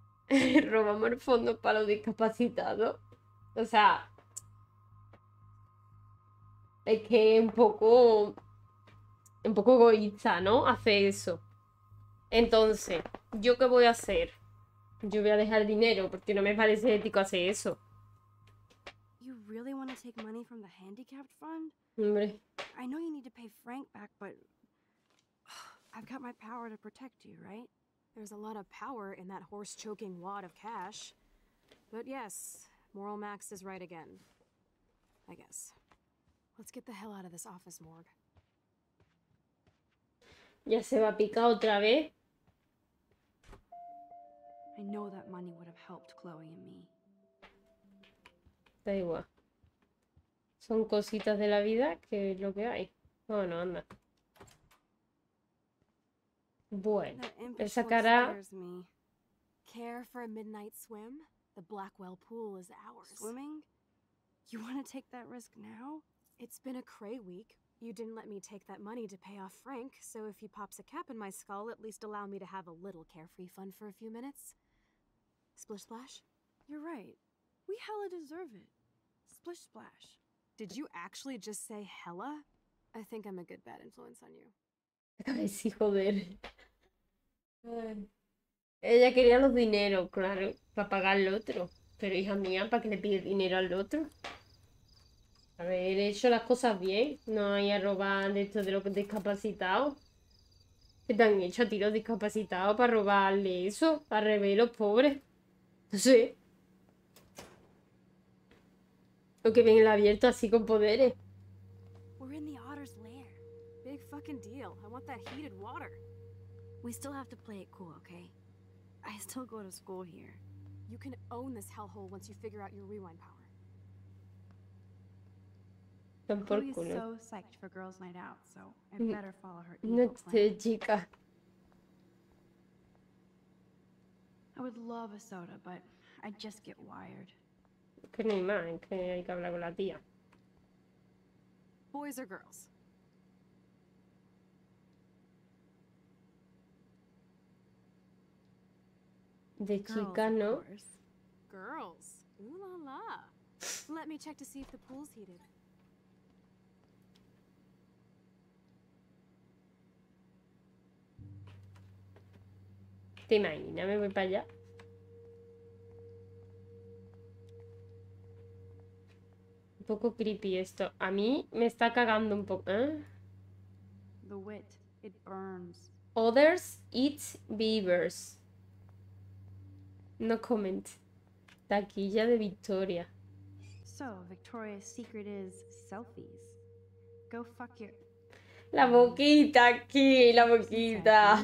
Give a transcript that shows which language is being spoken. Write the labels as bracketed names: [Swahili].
[Spanish] Robamos el fondo para los discapacitados. O sea, es que es un poco egoísta, ¿no? Hace eso. Entonces, ¿yo qué voy a hacer? Yo voy a dejar dinero porque no me parece ético hacer eso. [English] You really want to take money from the handicapped fund? [Spanish] Hombre. [English] I know you need to pay Frank back, but I've got my power to protect you, right? There's a lot of power in that horse choking wad of cash. But yes, Moral Max is right again. I guess. Let's get the hell out of this office morgue. [Spanish] Ya se va a picar otra vez. [English] I know that money would have helped Chloe and me. [Spanish] Da igual. Son cositas de la vida que lo que hay. Bueno, anda. Bueno, esa cara. [English] Care for a midnight swim? The Blackwell pool is ours. Swimming? You want to take that risk now? It's been a cray week. You didn't let me take that money to pay off Frank, so if he pops a cap in my skull, at least allow me to have a little carefree fun for a few minutes. Splish splash? You're right. We hella deserve it. Splish splash. Did you actually just say hella? I think I'm a good bad influence on you. [Spanish] Sí, joder. Ella quería los dineros, claro, para pagar al otro. Pero hija mía, ¿para qué le pide dinero al otro? A ver, he hecho las cosas bien. No hay a robar esto de los discapacitados. ¿Qué te han hecho a ti los discapacitados para robarle eso? A Rebelo, pobre. No sé. Lo que ven el abierto así con poderes. [English] We're in the otter's lair. Big fucking deal. I want that heated water. We still have to play it cool, okay? I still go to school here. You can own this hellhole once you figure out your rewind power. Chloe is so psyched for girls' night out, so I better follow her evil plan. [Spanish] Chica. [English] I would love a soda, but I just get wired. [Spanish] Que no hay más, que hay que hablar con la tía. [English] Boys or girls? [Spanish] De chica, ¿no? [English] Girls, ooh la la. Let me check to see if the pool's heated. [Spanish] ¿Te imaginas? Me voy para allá. Un poco creepy esto. A mí me está cagando un poco. ¿Eh? [English] The wit, it burns. Others eat beavers. No comment. [Spanish] Taquilla de Victoria. [English] So, Victoria's secret is selfies. Go fuck your... [Spanish] La boquita aquí, la boquita.